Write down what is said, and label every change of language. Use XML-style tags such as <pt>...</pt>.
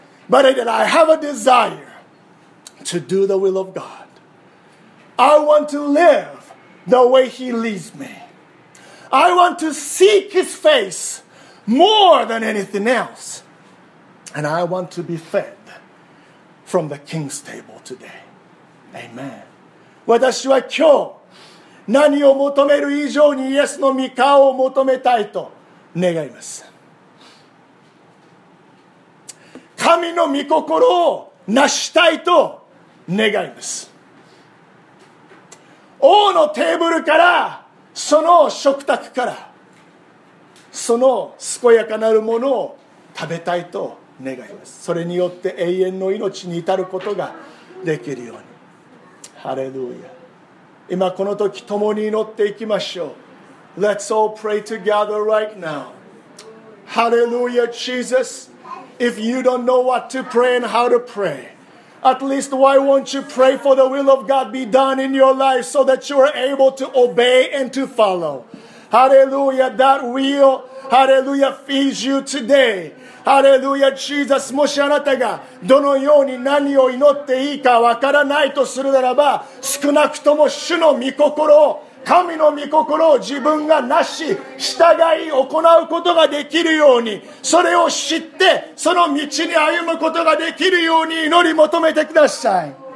<en>But that I have a desire to do the will of God. I want to live the way He leads me. I want to seek His face more than anything else. And I want to be fed from the King's table today. Amen.</en> <ja>私は今日何を求める以上にイエスの御顔を求めたいと願います。神の御心を成したいと願います。王のテーブルからその食卓からその健やかなるものを食べたいと願います。それによって永遠の命に至ることができるように。ハレルヤ。今この時共に祈っていきましょう。</ja> <en>Let's all pray together right now. Hallelujah, Jesus. If you don't know what to pray and how to pray, at least why won't you pray for the will of God be done in your life so that you are able to obey and to follow. Hallelujah, that will, hallelujah, feeds you today.</en> <ja>ハレルヤ、ジーザス、もしあなたがどのように何を祈っていいかわからないとするならば、少なくとも主の御心を、神の御心を自分がなし、従い行うことができるように、それを知って、その道に歩むことができるように祈り求めてください。</ja>